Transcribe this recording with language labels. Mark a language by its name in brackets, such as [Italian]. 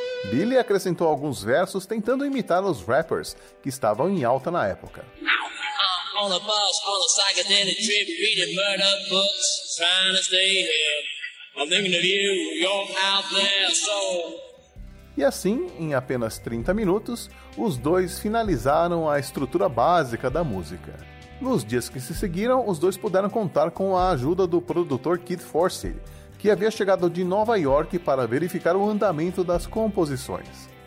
[Portuguese] Billy acrescentou alguns versos tentando imitar os rappers que estavam em alta na época. [English] On a bus, on a psychedelic trip, reading murder books, trying to stay here. I'm thinking of you, you're out there, so... [Portuguese] E assim, em apenas 30 minutos, os dois finalizaram a estrutura básica da música. Nos dias que se seguiram, os dois puderam contar com a ajuda do produtor Keith Forsey, que havia chegado de Nova York para verificar o andamento das composições.